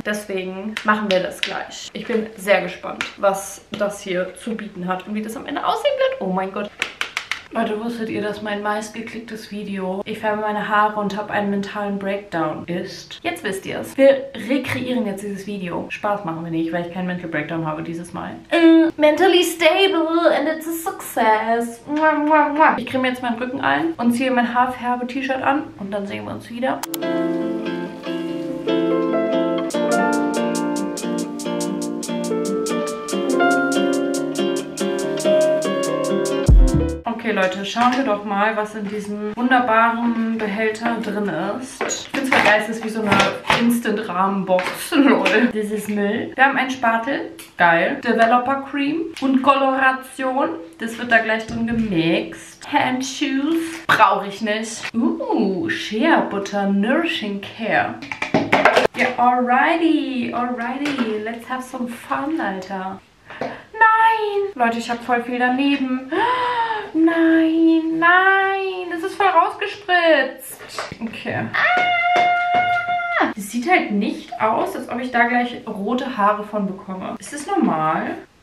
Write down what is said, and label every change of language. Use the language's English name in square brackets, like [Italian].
[German] Deswegen machen wir das gleich. Ich bin sehr gespannt, was das hier zu bieten hat und wie das am Ende aussehen wird. Oh mein Gott. Leute, wusstet ihr, dass mein meistgeklicktes Video, ich färbe meine Haare und habe einen mentalen Breakdown, ist? Jetzt wisst ihr es. Wir rekreieren jetzt dieses Video. Spaß machen wir nicht, weil ich keinen Mental Breakdown habe dieses Mal. [English] Mentally stable and it's a success. [German] Ich creme jetzt meinen Rücken ein und ziehe mein Haarfärbe-T-Shirt an und dann sehen wir uns wieder. Okay, Leute, schauen wir doch mal, was in diesem wunderbaren Behälter drin ist. Ich bin zwar geil, es ist wie so eine Instant-Rahmenbox, lol. Das ist Müll. Wir haben einen Spatel, geil. Developer Cream und Koloration. Das wird da gleich drin gemixt. Handshoes brauche ich nicht. [English] Shea Butter Nourishing Care. Ja, alrighty, let's have some fun, Alter. [German] Nein! Leute, ich habe voll viel daneben. Nein, das ist voll rausgespritzt. Okay. Das sieht halt nicht aus, als ob ich da gleich rote Haare von bekomme. Ist das normal?